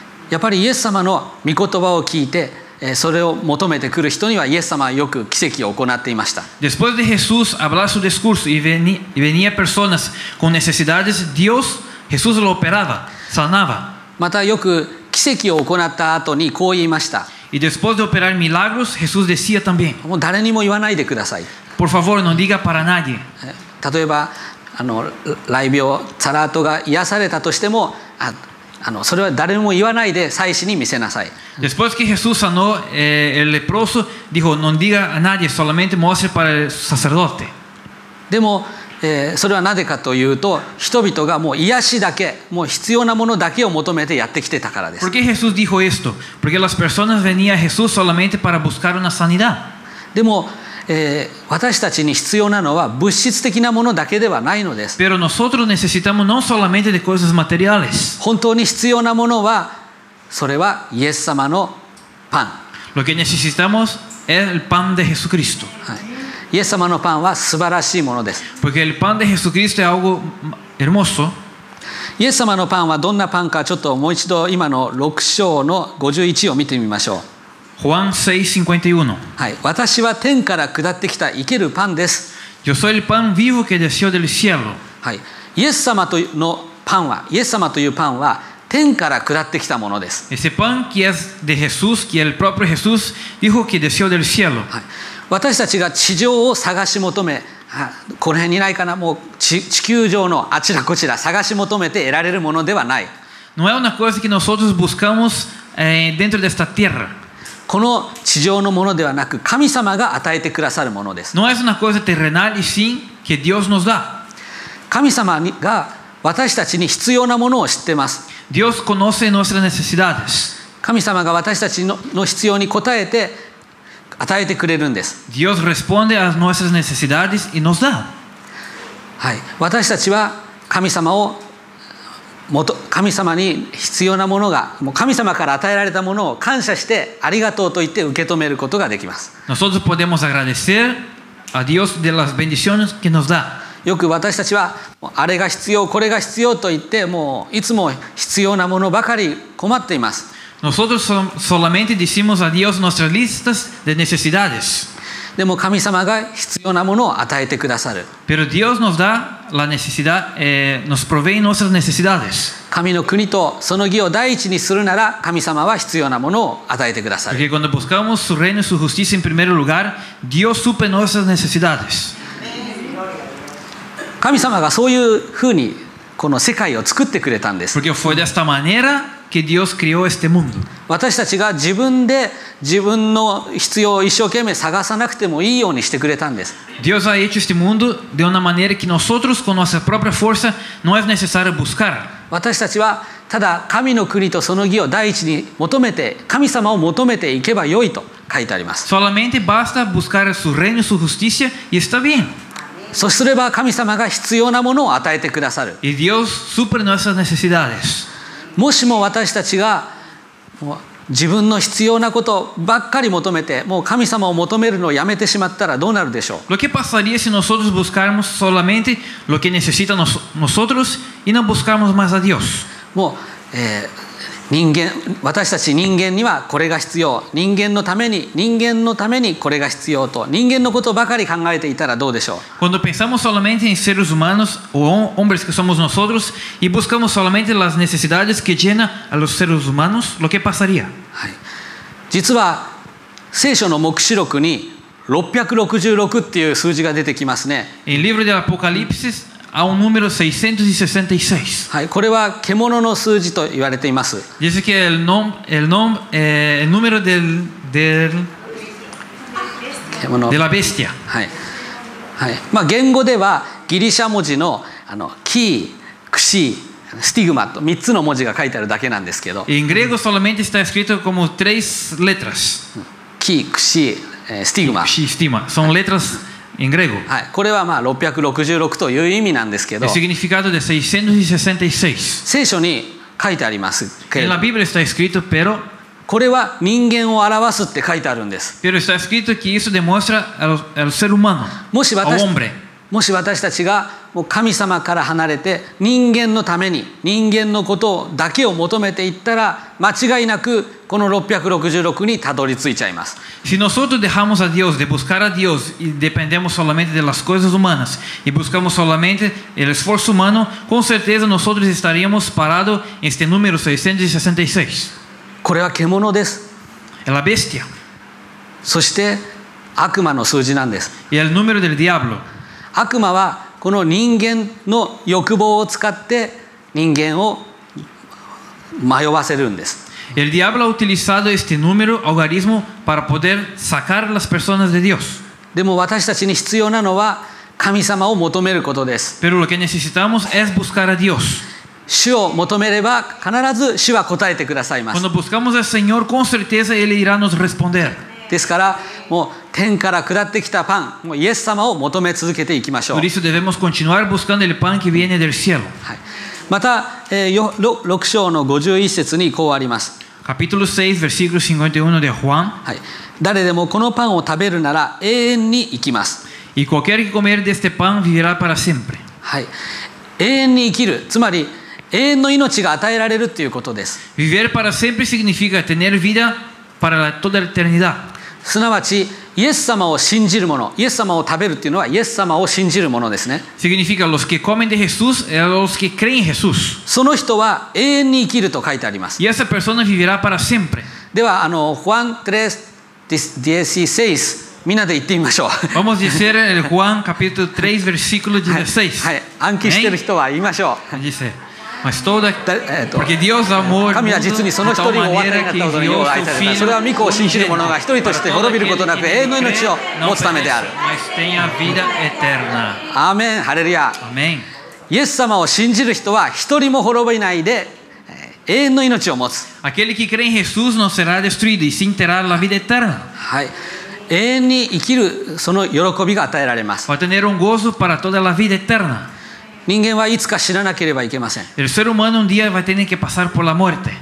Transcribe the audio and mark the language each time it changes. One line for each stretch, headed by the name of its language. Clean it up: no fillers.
Japanese: やっぱりイエス様の御言葉を聞いて、それを求めてくる人にはイエス様はよく奇跡を行っていました。
Portuguese: Depois de Jesus hablar seu discurso e venia pessoas com necessidades, Deus Jesus lo operava, sanava.
Japanese: またよく奇跡を行った後にこう言いました。
Portuguese: E depois de operar milagros, Jesus decía também.
Japanese: もう誰にも言わないでください。
Portuguese: Por favor, não diga para nadie.
Japanese: 例えば雷病サラートが癒されたとしても、それは誰も言わないで祭司に見せなさい。
Portuguese: Depois que Jesus sanou
Spanish: el leproso,
Portuguese: dijo, não diga a nadie, somente mostre para
Spanish: el sacerdote.
Japanese: でもそれはなぜかというと、人々がもう癒しだけ、もう必要なものだけを求めてやってきてたからです。
Spanish: Porque Jesus dijo esto? Porque las personas venían a Jesús solamente para buscar una sanidad.
Japanese: でも、私たちに必要なのは物質的なものだけではないのです。
Spanish: Pero nosotros necesitamos no solamente de cosas materiales.
Japanese: 本当に必要なものは、それはイエス様のパン。
Spanish: Lo que necesitamos es el pan de Jesucristo.
Japanese: イエス様のパンは素晴らしいものです。
Spanish: Porque el pan de Jesucristo es algo hermoso.
Japanese: イエス様のパンはどんなパンかちょっともう一度今の6章の51を見てみましょう。
Spanish: Juan 6:51.
Japanese: はい、私は天から下ってきた生けるパンです。
Spanish: Yo soy el pan vivo que descendió del cielo.
Japanese: はい、イエス様というのパンは、イエス様というパンは天から下ってきたものです。
Spanish: Ese pan que es de Jesús, que el propio Jesús dijo que descendió del cielo.
Japanese: はい。私たちが地上を探し求め、この辺にないかな、もう地球上のあちらこちら探し求めて得られるものではない。
Portuguese: Não é uma coisa que nosotros buscamos dentro desta terra.
Japanese: この地上のものではなく神様が与えてくださるものです。
Spanish: No es una cosa terrenal y sin que Dios nos da.
Japanese: 神様が私たちに必要なものを知ってます。
Spanish: Dios conoce nuestras necesidades.
Japanese: 神様が私たちの必要に応えて与えてくれるんです。
Spanish: Dios responde a nuestras necesidades y nos da.
Japanese: はい、私たちは神様を神様に必要なものがもう神様から与えられたものを感謝してありがとうと言って受け止めることができます。
Spanish: Nosotros podemos agradecer a Dios de las bendiciones que nos da。
Japanese: よく私たちはあれが必要これが必要と言ってもういつも必要なものばかり困っています。
Spanish: Nosotros solamente decimos a Dios nuestras listas de necesidades。
Japanese: でも神様が必要なものを与えてくださる。
Spanish: Pero Dios nos da la necesidad, nos provee nuestras necesidades.
Japanese: 神の国とその義を第一にするなら、神様は必要なものを与えてくださる。
Spanish: Porque cuando buscamos su reino y su justicia en primer lugar, Dios suple nuestras necesidades.
Japanese: 神様がそういうふうにこの世界を作ってくれたんです。
Spanish: Porque fue de esta manera que Dios creó este mundo.
Japanese: 私たちが自分で自分の必要を一生懸命探さなくてもいいようにしてくれたんです。
Spanish: Dios ha hecho este mundo de una manera que nosotros con nuestra propia fuerza no es necesario buscar.
Japanese: 私たちはただ神の国とその義を第一に求めて神様を求めていけばよいと書いてあります。
Spanish: Solamente basta buscar su reino y su justicia y está bien.
Japanese: そうすれば神様が必要なものを与えてくださる。
Spanish: Y Dios suple nuestras necesidades.
Japanese: もしも私たちが自分の必要なことばっかり求めてもう神様を求めるのをやめてしまったらどうなるでしょう。
Spanish: Lo que pasaría si nosotros buscáramos solamente lo que necesita nosotros y no buscáramos más a Dios.
Japanese: もう、人間、私たち人間にはこれが必要、人間のために、人間のためにこれが必要と人間のことばかり考えていたらどうでしょう。
Spanish: Cuando pensamos solamente en seres humanos o hombres que somos nosotros y buscamos solamente las necesidades que llena a los seres humanos, lo que pasaría?
Japanese: 実は聖書の黙示録に666っていう数字が出てきますね。
Spanish: En el libro de Apocalipsis a un número 666.
Japanese: はい、これは獣の数字と言われています。
Spanish: Dice que el número del de la bestia.
Japanese: はい、はい、まあ言語ではギリシャ文字のあのキー、クシー、スティグマと三つの文字が書いてあるだけなんですけど。
Spanish: En griego solamente está escrito como tres letras.
Japanese: キー、クシー、スティグマ。キー、クシー、スティグマ。
Spanish: Son letras. En griego.
Japanese: はい、これはまあ666という意味なんですけど、
Spanish: el significado de 666.
Japanese: 聖書に書いてありますけど、
Spanish: en la Biblia está escrito, pero,
Japanese: これは人間を表すって書いてあるんです。
Spanish: pero está escrito que eso demuestra al ser humano,
Japanese: もし私、 もし私たちがもう神様から離れて人間のために人間のことだけを求めていったら間違いなくこの666にたどり着いちゃいます。
Spanish: Si nosotros dejamos a Dios de buscar a Dios y dependemos solamente de las cosas humanas y buscamos solamente el esfuerzo humano con certeza nosotros estaríamos parados en este número 666.
Japanese: これは獣です。
Spanish: Es la bestia.
Japanese: そして悪魔の数字なんです。
Spanish: Y el número del diablo.
Japanese: 悪魔はこの人間の欲望を使って人間を迷わせるんです。
Spanish: El diablo ha utilizado este número, algoritmo, para poder sacar las personas de Dios.
Japanese: でも私たちに必要なのは神様を求めることです。
Spanish: Pero lo que necesitamos es buscar a Dios.
Japanese: 主を求めれば必ず主は答えてくださいます。
Spanish: Cuando buscamos al Señor, con certeza Él irá nos responder.
Japanese: ですからもう天から下ってきたパン、もうイエス様を求め続けていきましょう。
Spanish: Por eso debemos continuar buscando el pan que viene del cielo.
Japanese: はい。また、6章の51節にこうあります。
Spanish: Capítulo 6, versículo 51 de Juan.
Japanese: はい。誰でもこのパンを食べるなら永遠に生きます。
Spanish: Y cualquier que comer de este pan vivirá para siempre.
Japanese: はい。永遠に生きる。つまり永遠の命が与えられるということです。
Spanish: Vivir para siempre significa tener vida. Para toda la eternidad.
Japanese: すなわちイエス様を信じる者、イエス様を食べるというのはイエス様を信じる者ですね。
Spanish: Significa los que comen de Jesús y los que creen en Jesús.
Japanese: その人は永遠に生きると書いてあります。
Spanish: Y esa persona vivirá para siempre.
Japanese: ではあのJuan 3, 16, みんなで言ってみましょう。
Spanish: Vamos a decir el Juan capítulo 3, versículo 16.
Japanese: はい、暗記してる人は言いましょう。
Portuguese: Dice. Mas toda, porque Deus amou o mundo de tal maneira que enviou seu filho.
Japanese: それは御子を信じる者が一人として滅びることなく永遠の命を持つためである。
Portuguese: Mas tem a vida eterna.
Japanese: アーメン、ハレルヤ。アメン。イエス様を信じる人は一人も滅びないで永遠の命を持つ。
Portuguese: Aquele que crê em Jesus não será destruído e sim terá a vida eterna.
Japanese: はい。永遠に生きるその喜びが与えられます。
Portuguese: Vai ter um gozo para toda a vida eterna.
Japanese: 人間はいつか死ななければいけません。
Spanish: El ser humano un día va a tener que pasar por la muerte.